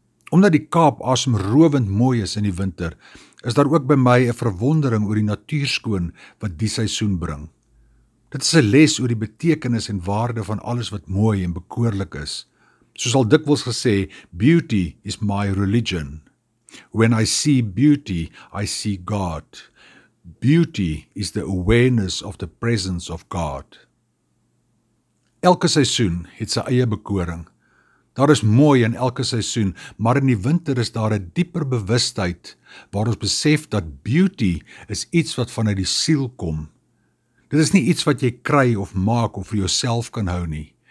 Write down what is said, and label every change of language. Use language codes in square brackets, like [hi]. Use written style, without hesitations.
[af] Omdat die Kaap asemrowend mooi is in die winter, is daar ook by my 'n verwondering oor die natuurskoon wat die seisoen bring. Dit is 'n les oor die betekenis en waarde van alles wat mooi en bekoorlik is. Soos al dikwels gesê, [en] beauty is my religion. When I see beauty, I see God. Beauty is the awareness of the presence of God. [af] Elke seisoen het sy eie bekoring. Daar is mooi in elke seisoen, maar in die winter is daar 'n dieper bewustheid waar ons besef dat beauty is iets wat vanuit die siel kom. Dit is nie iets wat jy kry of maak of vir jouself kan hou nie.